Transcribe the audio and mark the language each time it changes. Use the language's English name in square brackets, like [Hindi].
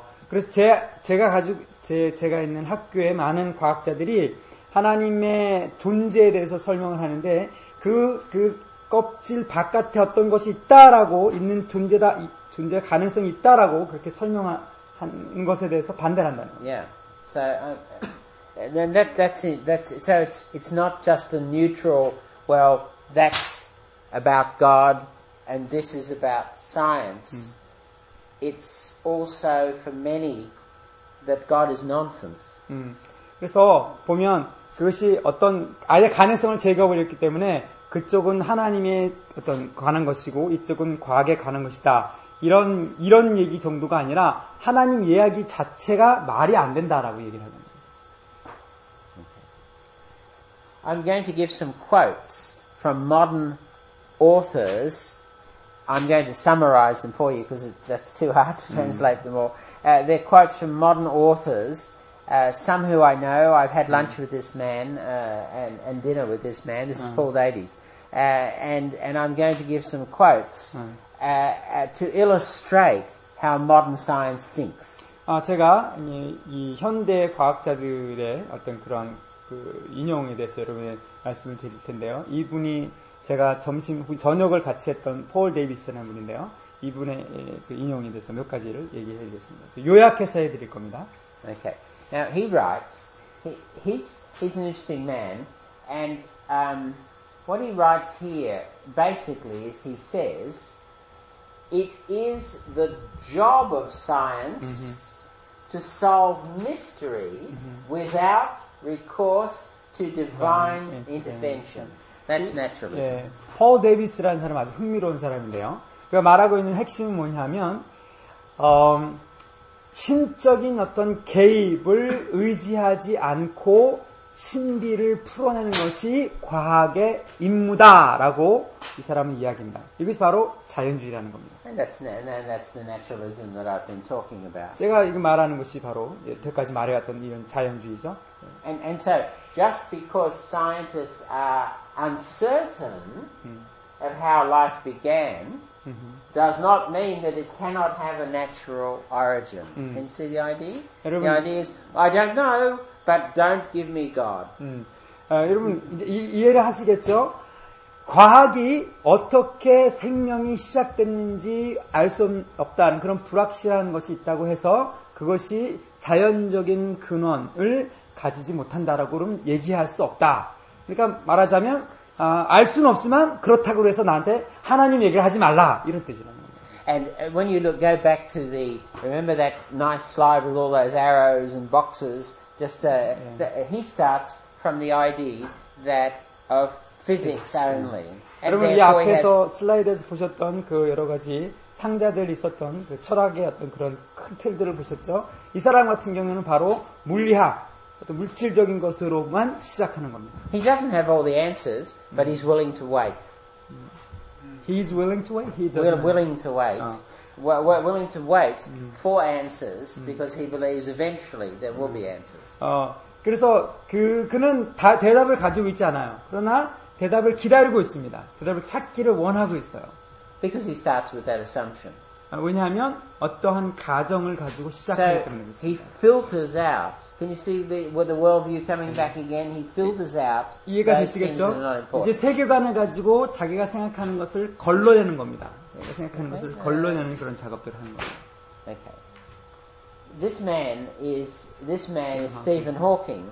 [Korean] 그래서 제가 있는 학교에 많은 과학자들이 하나님의 존재에 대해서 설명을 하는데 그 껍질 바깥에 어떤 것이 있다라고 있는 존재다 존재 가능성이 있다라고 그렇게 설명한 것에 대해서 반대를 한다는 거예요. [English] Yeah. So that's so it's not just a neutral well that's about God and this is about science. It's also for many that God is nonsense. [Korean] 그래서 보면 그것이 어떤 아예 가능성을 제거해버렸기 때문에 그쪽은 하나님의 어떤 관한 것이고 이쪽은 과학에 관한 것이다. 이런 얘기 정도가 아니라 하나님 이야기 자체가 말이 안 된다라고 얘기를 하는 거예요. [English] I'm going to give some quotes from modern authors. I'm going to summarize them for you because that's too hard to translate them all. They're quotes from modern authors. Some who I know, I've had lunch with this man and dinner with this man. This is Paul Davies. And I'm going to give some quotes to illustrate how modern science thinks. [Korean] 제가 이 현대 과학자들의 어떤 그런 그 인용에 대해서 여러분의 말씀을 드릴 텐데요. 이분이 제가 점심 후 저녁을 같이 했던 폴 데이비스라는 분인데요. 이분의 그 인용에 대해서 몇 가지를 얘기해 드리겠습니다. 요약해서 해 드릴 겁니다. [English] Okay. Now he writes. He's an interesting man, and what he writes here basically is he says it is the job of science to solve mysteries without recourse to divine intervention. That's naturalism. 네, [Korean] 폴 데이비스라는 사람 아주 흥미로운 사람인데요. 그가 말하고 있는 핵심은 뭐냐면 신적인 어떤 개입을 의지하지 않고 신비를 풀어내는 것이 과학의 임무다라고 이 사람은 이야기합니다. 이것이 바로 자연주의라는 겁니다. [English] And that's the naturalism that I've been talking about. [Korean] 제가 이거 말하는 것이 바로 여태까지 말해왔던 이런 자연주의죠. [English] And so just because scientists are uncertain of how life began does not mean that it cannot have a natural origin. Can you see the idea? [Korean] 여러분, [English] the idea is I don't know. But don't give me God. [Korean] 여러분 이해를 하시겠죠? 과학이 어떻게 생명이 시작됐는지 알 수 없다는 그런 불확실한 것이 있다고 해서 그것이 자연적인 근원을 가지지 못한다라고 얘기할 수 없다. 그러니까 말하자면 알 수는 없지만 그렇다고 해서 나한테 하나님 얘기를 하지 말라 이런 뜻이라는 거예요. [English] And when you look, go back to the remember that nice slide with all those arrows and boxes. Just he starts from the idea that of physics only. [Korean] 여러분 이 앞에서 슬라이드에서 보셨던 그 여러 가지 상자들 있었던 그 철학의 어떤 그런 큰 틀들을 보셨죠? 이 사람 같은 경우는 바로 물리학 어떤 물질적인 것으로만 시작하는 겁니다. [English] He doesn't have all the answers, but he's willing to wait. He's willing to wait. He doesn't. Willing to wait. We're willing to wait for answers because he believes eventually there will be answers. [Korean] 그래서 그는 다 대답을 가지고 있지 않아요. 그러나 대답을 기다리고 있습니다. 대답을 찾기를 원하고 있어요. [English] Because he starts with that assumption. [Korean] 왜냐하면 어떠한 가정을 가지고 시작했기 때문입니다. [English] So he filters out. Can you see with the worldview coming back again? He filters out. [Korean] 이해가 되시겠죠? 이제 세계관을 가지고 자기가 생각하는 것을 걸러내는 겁니다. 자기가 생각하는 것을 걸러내는 그런 작업들을 하는 겁니다. [English] Okay. This man is Stephen Hawking.